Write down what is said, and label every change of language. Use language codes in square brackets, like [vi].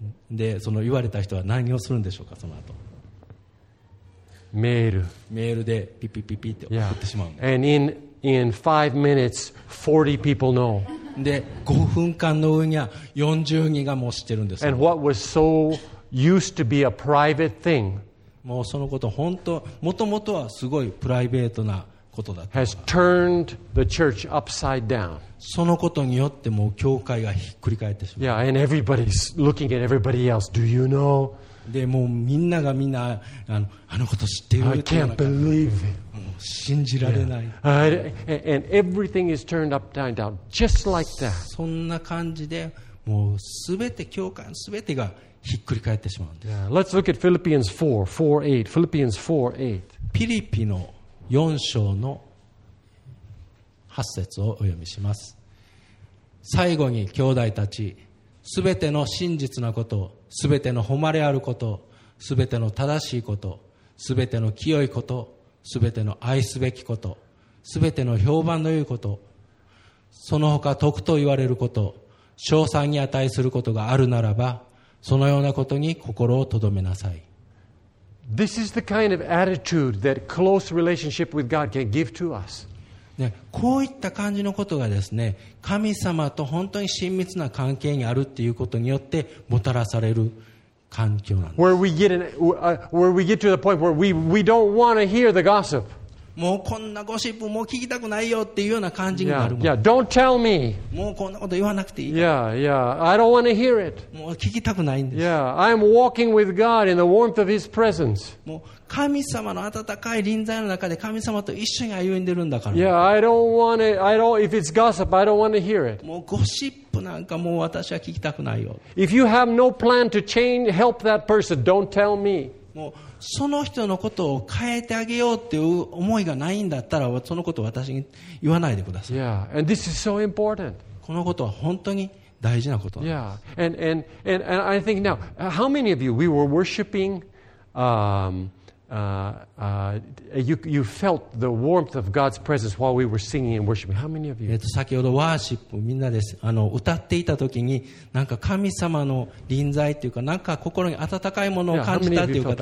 [ja] で、その言われた人は何をするんでしょうか、その後。メールでピッピッピッピッって送ってしまう。 [en] Yeah. And in 5 minutes, 40 people know. [ja] で5分間の上には40人がもう知ってるんです。 [en] And what was so used to be a private thing, [ja] もうそのこと本当もともとはすごいプライベートなことだった。 [en] Has turned the church upside down. [ja] そのことによってもう教会がひっくり返ってしまう。 [en] Yeah, and everybody's looking at everybody else. Do you know? [ja] でもうみんながみんなあのこと知ってる。 [en] I can't believe it. [ja] 信じられない。 [en] Yeah. And everything is turned upside down, just like that. [ja] そんな感じで、もうすべて教会のすべてがひっくり返ってしまうんです。 [en] Yeah. Let's look at Philippians 4:8. Philippians 4:8. [ja] ピリピの4章の8節をお読みします。最後に兄弟たち、すべての真実なこと、すべての誉れあること、すべての正しいこと、すべての清いこと。すべての愛すべきこと、すべての評判の良いこと、その他徳と言われること、称賛に値することがあるならば、そのようなことに心をとどめなさい。 [en] This is the kind of attitude that close relationship with God can give to us. [ja] ね、こういった感じのことがですね、神様と本当に親密な関係にあるっていうことによってもたらされる。 [en] Where we get to the point where we don't want to hear the gossip. [ja] もうこんなゴシップもう聞きたくないよっていうような感じになるもん。 [en] Yeah, don't tell me. [ja] もうこんなこと言わなくていい。 [en] Yeah, yeah. I don't want to hear it. [ja] もう聞きたくないんです。 [en] Yeah, I'm walking with God in the warmth of His presence. [ja] もう神様の温かい臨在の中で神様と一緒に歩んでるんだから。 [en] Yeah, I don't want it. I don't. If it's gossip, I don't want to hear it. [ja] もうゴシップなんかもう私は聞きたくないよ。 [en] If you have no plan to change, help that person, don't tell me. [ja] もうその人のことを変えてあげようっていう思いがないんだったらそのことを私に言わないでください。 [en] Yeah, and this is so important. [ja] このことは本当に大事なことなんです。 [en] Yeah, and I think now, how many of you, we were worshiping, you felt the warmth of God's presence while we were singing and worshiping. How many of you? [ja] 先ほどワーシップみんなです。歌っていた時に、なんか神様の臨在っていうか、なんか心に温かいものを感じたっていう方